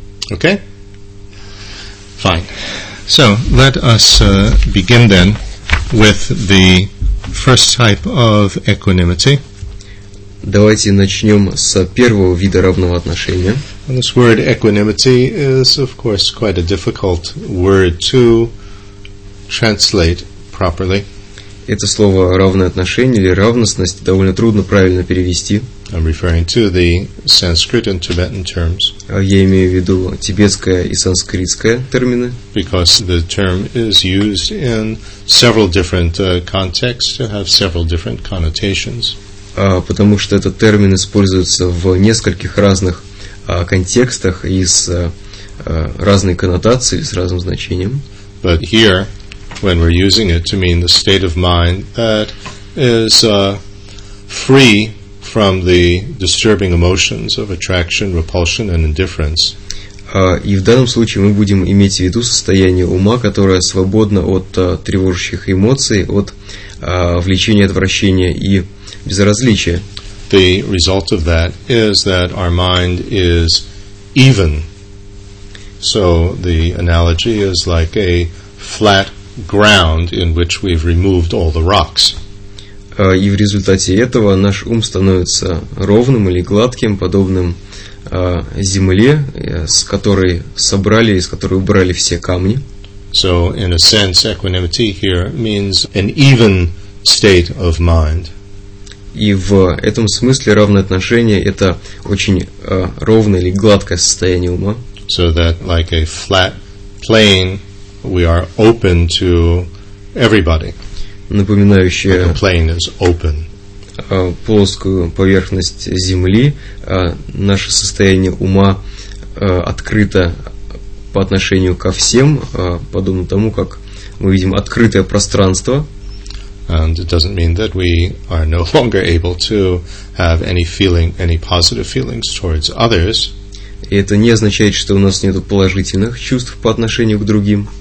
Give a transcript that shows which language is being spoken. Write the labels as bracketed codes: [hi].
[en] Okay? Fine. So, let us begin then with the first type of equanimity. [ru] Давайте начнем с первого вида равного отношения. [en] And this word equanimity is, of course, quite a difficult word to translate properly. [ru] это слово «равное отношение» или «равностность» довольно трудно правильно перевести. [en] I'm referring to the Sanskrit and Tibetan terms. [ru] Я имею в виду тибетское и санскритское термины. [en] Because the term is used in several different contexts to have several different connotations. [ru] Потому что этот термин используется в нескольких разных контекстах и с разной коннотацией, с разным значением. [en] But here, when we're using it to mean the state of mind that is free from the disturbing emotions of attraction, repulsion, and indifference. [ru] И в данном случае мы будем иметь в виду состояние ума, которое свободно от тревожащих эмоций, от влечения, отвращения и безразличия. [en] The result of that is that our mind is even. So the analogy is like a flat ground in which we've removed all the rocks. [ru] И в результате этого наш ум становится ровным или гладким, подобным земле, с которой собрали, из которой убрали все камни. [en] So in a sense, equanimity here means an even state of mind. [ru] И в этом смысле равное отношение – это очень ровное или гладкое состояние ума. [en] So that, like a flat plane, we are open to everybody. [ru] Напоминающее [en] like a plane is open. [ru] Плоскую поверхность земли, наше состояние ума открыто по отношению ко всем, подобно тому, как мы видим открытое пространство. [en] And it doesn't mean that we are no longer able to have any feeling, any positive feelings towards others. [ru] И это не означает, что у нас нет положительных чувств по отношению к другим.